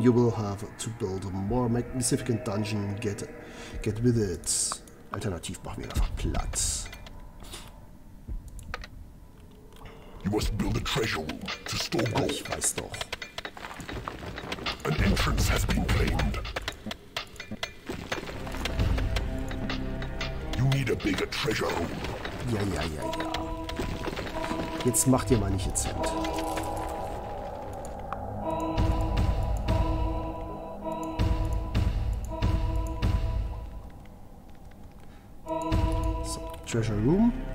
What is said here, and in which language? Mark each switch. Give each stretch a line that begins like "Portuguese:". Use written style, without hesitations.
English: You will have to build a more magnificent dungeon. Get with it.
German: Alternativ machen wir einfach platt.
English: You must build a treasure room to store gold.
German: Ich weiß doch.
English: An entrance has been claimed. You need a bigger treasure room.
German: Ja, ja, ja, ja. Jetzt mach dir mal nicht jetzt Hemd.
English: So, treasure room.